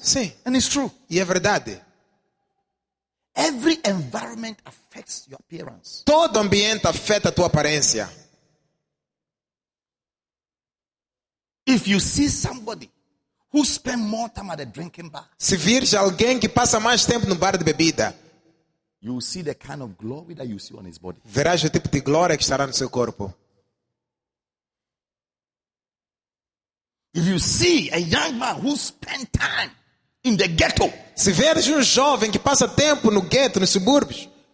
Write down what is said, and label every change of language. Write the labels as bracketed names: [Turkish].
[Portuguese] Sim. [English] And it's true. [Portuguese] E é verdade. [English] Every environment affects your appearance. [Portuguese] Todo ambiente afeta a tua aparência. [English] If you see somebody who spend more time at a drinking bar, [Portuguese] se vires alguém que passa mais tempo no bar de bebida, [English] you will see the kind of glory that you see on his body. [Portuguese] Verás o tipo de glória que estará no seu corpo. [English] If you see a young man who spend time in the ghetto, [Portuguese] se vires jovem que passa tempo no gueto, nos subúrbios,